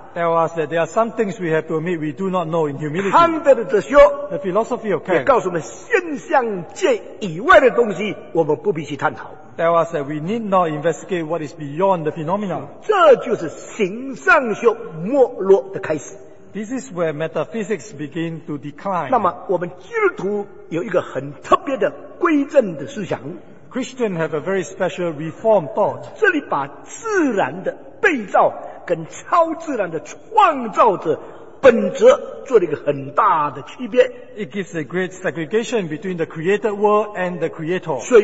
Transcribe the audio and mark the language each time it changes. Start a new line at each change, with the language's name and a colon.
English: tell us that there are some things we have to admit we do not know in humility.
Chinese: Kant 的哲学,
English: the philosophy of Kant,
Chinese: 也告诉我们现象界以外的东西我们不必去探讨。
English: Tell us that we need not investigate what is beyond the phenomenon.
Chinese: 这就是形上学没落的开始。
English: This is where metaphysics begin to decline.
Chinese: 那么我们基督徒有一个很特别的归正的思想。
English: Christians have a very special reformed thought.
Chinese: 这里把自然的被造跟超自然的创造者本质做了一个很大的区别。
English: It gives a great segregation between the created world and the creator.